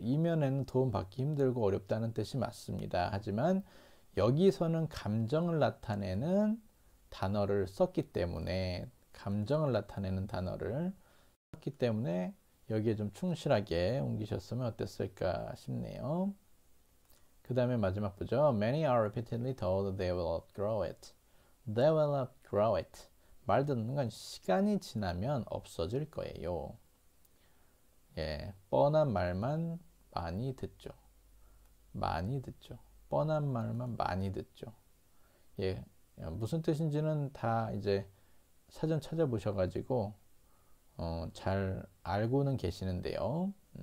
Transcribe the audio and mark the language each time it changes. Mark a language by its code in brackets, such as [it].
[ko] 이면에는 도움 받기 힘들고 어렵다는 뜻이 맞습니다. 하지만 여기서는 감정을 나타내는 단어를 썼기 때문에 감정을 나타내는 단어를 썼기 때문에 여기에 좀 충실하게 옮기셨으면 어땠을까 싶네요. 그 다음에 마지막 부죠. [en] Many are repeatedly told they will outgrow it. They will outgrow it. [ko] 말 듣는 건 시간이 지나면 없어질 거예요. 예, 뻔한 말만 많이 듣죠. 많이 듣죠. 뻔한 말만 많이 듣죠. 예, 무슨 뜻인지는 다 이제 사전 찾아보셔가지고 잘 알고는 계시는데요.